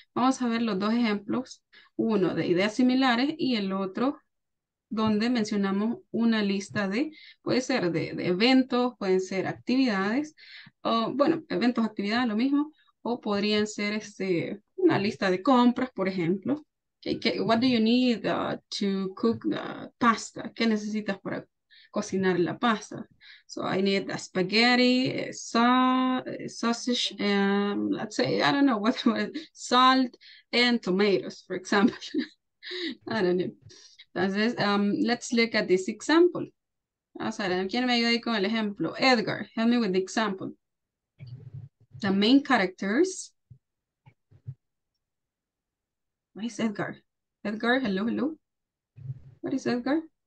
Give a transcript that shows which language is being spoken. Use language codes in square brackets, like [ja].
[es] Vamos a ver los dos ejemplos, uno de ideas similares y el otro donde mencionamos una lista de, puede ser de eventos, pueden ser actividades, o bueno, eventos, actividades, lo mismo, o podrían ser una lista de compras, por ejemplo. [en] What do you need to cook the pasta? [es] ¿Qué necesitas para cocinar la pasta? [en] So I need a spaghetti, sausage, and let's say, I don't know, salt and tomatoes, for example. I don't know. Entonces, let's look at this example. [es] Vamos a ver, ¿quién me ayuda ahí con el ejemplo? [en] Edgar, help me with the example. The main characters. Where is Edgar? Edgar, hello, hello. Where is Edgar?